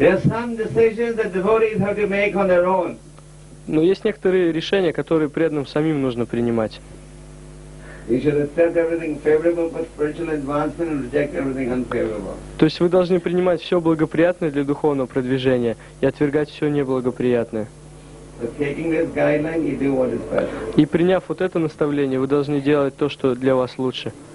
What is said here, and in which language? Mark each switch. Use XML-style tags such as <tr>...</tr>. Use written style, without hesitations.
<en>There are some decisions that devotees have to make on their own.</en> <ru>Но есть некоторые решения, которые преданным самим нужно принимать.</ru> <en>You should accept everything favorable for spiritual advancement and reject everything unfavorable.</en> <ru>То есть вы должны принимать все благоприятное для духовного продвижения и отвергать все неблагоприятное.</ru> <en>But taking this guideline, you do what is best.</en> <ru>И приняв вот это наставление, вы должны делать то, что для вас лучше.</ru>